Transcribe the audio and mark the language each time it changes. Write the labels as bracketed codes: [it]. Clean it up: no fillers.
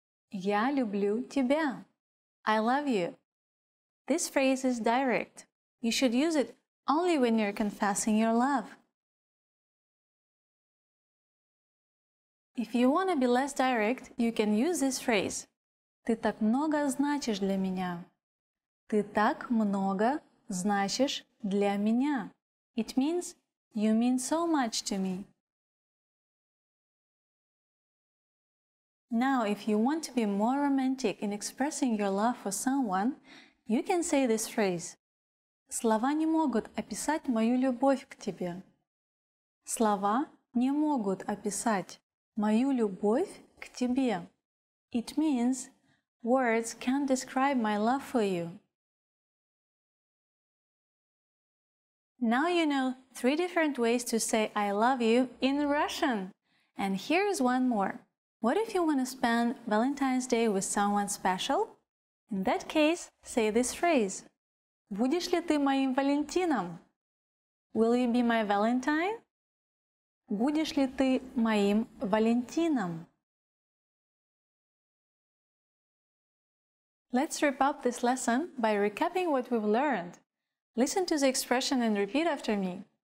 [ru] Я люблю тебя. [en] I love you. This phrase is direct. You should use it only when you're confessing your love. If you want to be less direct, you can use this phrase. [ru] Ты так много значишь для меня. Ты так много значишь для меня. [en] It means you mean so much to me. Now, if you want to be more romantic in expressing your love for someone, you can say this phrase. [ru] Слова не могут описать мою любовь к тебе. Слова не могут описать мою любовь к тебе. [en] It means words can't describe my love for you. Now you know three different ways to say I love you in Russian. And here's one more. What if you want to spend Valentine's Day with someone special? In that case, say this phrase. [ru] Будешь ли ты моим Валентином? [en] Will you be my Valentine? [ru] Будешь ли ты моим Валентином? [en] Let's wrap up this lesson by recapping what we've learned. Listen to the expression and repeat after me.